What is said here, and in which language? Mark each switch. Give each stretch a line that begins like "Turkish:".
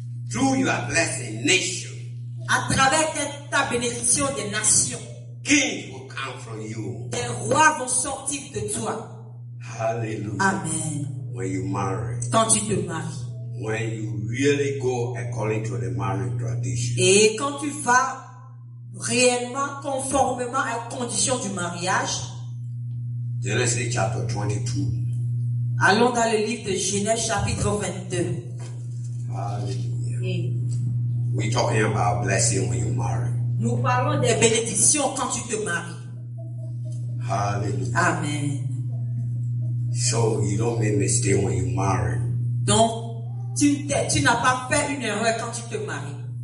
English: Through your blessing, nation.
French: À travers ta bénédiction des nations.
English: Kings will come from you.
French: Des rois vont sortir de toi. Hallelujah. Amen.
English: When you marry.
French: Quand tu te maries.
English: When you really go according to the marriage tradition.
French: Et quand tu vas réellement conformément à la condition du mariage.
English: Genesis chapter 22.
French: Allons dans le livre de Genèse chapitre 22.
English: Hallelujah. We talking about blessing when you marry.
French: Nous parlons des bénédictions quand tu te maries. Hallelujah. Amen.
English: So you don't make mistake when you marry.
French: Donc tu n'as pas fait une erreur quand tu te maries.